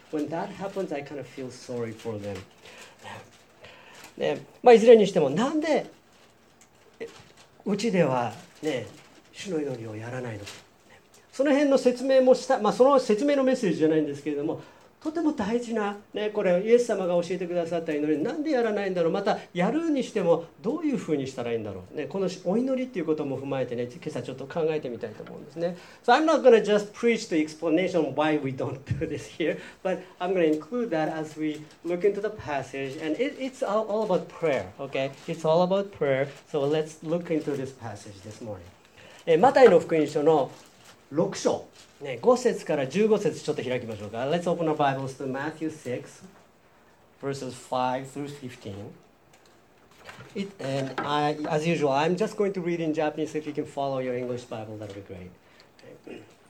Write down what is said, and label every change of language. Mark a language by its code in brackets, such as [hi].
[en] When that happens, I kind of feel sorry for them. [ja] ね、まあいずれにしても、なんでうちではね、主の祈りをやらないのか。その辺の説明もした、まあその説明のメッセージじゃないんですけれども、とても大事な、ね、これイエス様が教えてくださった祈り、なんでやらないんだろう、またやるにしてもどういうふうにしたらいいんだろう、ね、このお祈りということも踏まえてね、今朝ちょっと考えてみたいと思うんですね。 [en] So I'm not going to just preach the explanation of why we don't do this here, but I'm going to include that as we look into the passage, and it's all about prayer, okay? It's all about prayer, so let's look into this passage this morning. [ja] マタイの福音書の6章ね、5節から15節ちょっと開きましょうか。 [en] Let's open our Bibles to Matthew 6 verses 5 through 15 as usual I'm just going to read in Japanese. If you can follow your English Bible, that would be great.